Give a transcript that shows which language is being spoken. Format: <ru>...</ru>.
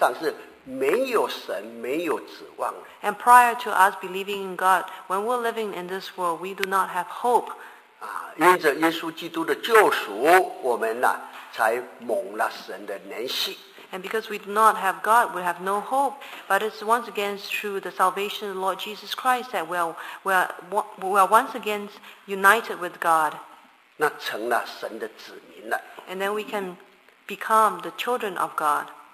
<zh>我们没有信主以前，活在世上是没有神、没有指望的。</zh> <en>And prior to us believing in God, when we're living in this world, we do not have hope.</en> <zh>因着耶稣基督的救赎，我们呢才蒙了神的怜惜。</zh> <en>And because we do not have God, we have no hope. But it's once again through the salvation of the Lord Jesus Christ that we are once again united with God.</en> <zh>那成了神的子民了。</zh> <en>And then we can become the children of God.</en>